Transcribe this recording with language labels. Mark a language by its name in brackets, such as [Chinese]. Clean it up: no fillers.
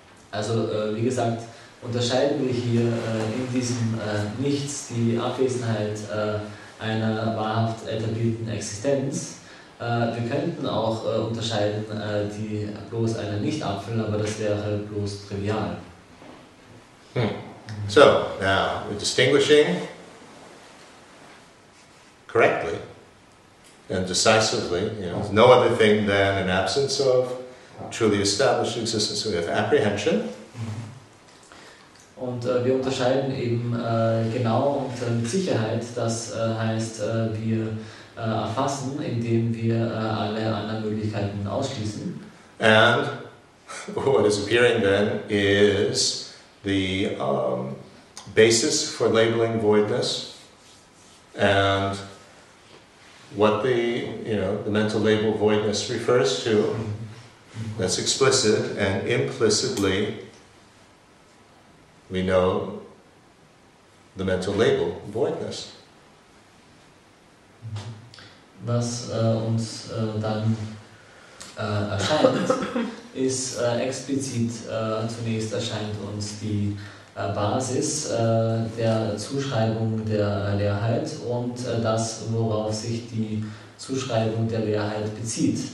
[German] Also wie gesagt, unterscheiden wir hier in diesem Nichts die Abwesenheit einer wahrhaft etablierten Existenz. Wir könnten auch unterscheiden die bloß einer Nicht-Apfel, aber das wäre bloß trivial. [English] So, now, we're distinguishing correctly and decisively, you know, no other thing than an absence of truly established existence. So we have apprehension. [German] Und wir unterscheiden eben genau und mit Sicherheit, das heißt, wir erfassen, indem wir alle anderen Möglichkeiten ausschließen. [English] And what is appearing then is the basis for labeling voidness, and what the, you know, the mental label voidness refers to, that's explicit, and implicitly we know the mental label voidness. [German] Was uns dann erscheint, ist explizit, zunächst erscheint uns die Basis der Zuschreibung der Leerheit und das, worauf sich die Zuschreibung der Leerheit bezieht.